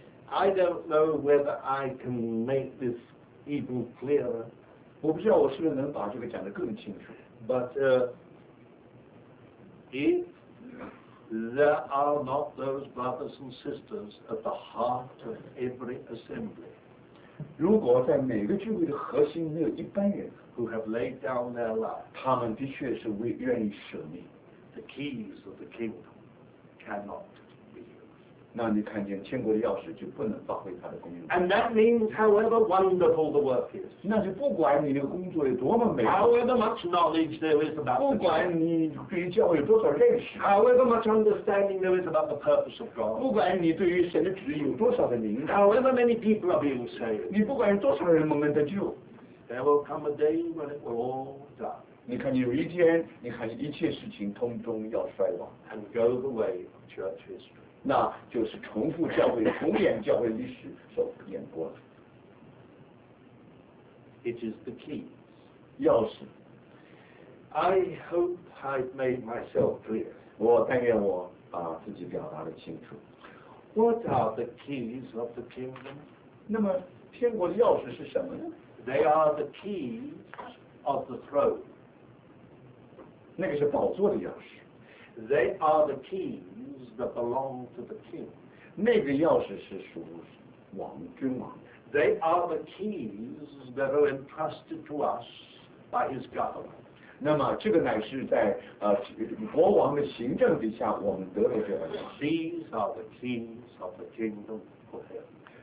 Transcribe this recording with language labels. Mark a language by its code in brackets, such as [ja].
[en] I don't know whether I can make this even clearer. [zh] 我不知道我是不是能把这个讲得更清楚。 [en] But if there are not those brothers and sisters at the heart of every assembly, [zh] 如果在每个聚会的核心没有一般人 [en] who have laid down their life, [zh] 他们的确是为愿意舍命 [en] the keys of the kingdom cannot. [zh] 那你看见天国的钥匙就不能发挥它的功用。 [en] And that means, however wonderful the work is. [zh] 那就不管你的工作有多么美。 [en] However much knowledge there is about. [zh] 不管你对教会有多少认识。 [en] However much understanding there is about the purpose of God. [zh] 不管你对于神的旨意有多少的明白。 [en] However many people are being saved. [zh] 你不管有多少人蒙恩得救。 [en] There will come a day when it will all die. [zh] 你看你有一天，你看一切事情通通要衰亡。 [en] And go the way of church history. [zh] 那就是重复教会重演教会历史所演过的 [en] It is the keys [zh] 钥匙 [en] I hope I've made myself clear [zh] 我但愿我把自己表达得清楚 [en] What are the keys of the kingdom? [zh] 那么天国的钥匙是什么呢 [en] They are the keys of the throne [zh] 那个是宝座的钥匙 [en] They are the keys that belong to the king. [zh] 那个钥匙是属王君王。 [en] They are the keys that are entrusted to us by his government. [zh] 那么这个乃是在国王的行政底下我们得了这个钥匙。 [en] These are the keys of the kingdom of heaven.